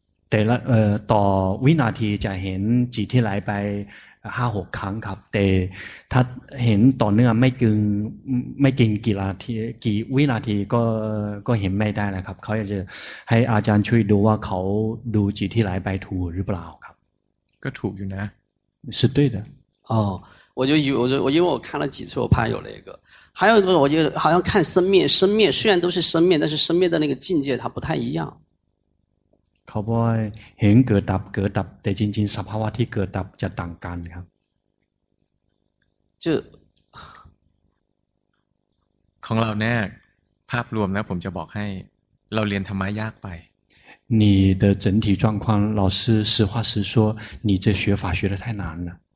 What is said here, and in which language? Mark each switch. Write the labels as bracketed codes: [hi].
[th] แต่ละต่อวินาทีจะเห็นจิตที่ไหลไปห้าหกครั้งครับแต่ถ้าเห็นต่อเนื่องไม่กินกี่นาทีกี่วินาทีก็เห็นไม่ได้แล้วครับเขาอยากจะให้อาจารย์ช่วยดูว่าเขาดูจิตที่ไหลไปถูกหรือเปล่าครับ ก็ถูกอยู่นะ [zh] 是对的哦我就有我因为我看了几次我怕有那个还有一个我觉得好像看生灭虽然都是生灭但是生灭的那个境界它不太一样 [th] เขาบอกเห็นเกิดดับแต่จริงๆสภาวะที่เกิดดับจะต่างกันครับ จุ ของเราแน่ภาพรวมนะผมจะบอกให้เราเรียนธรรมะยากไป [zh] 你的整体状况老师实话实说你这学法学的太难了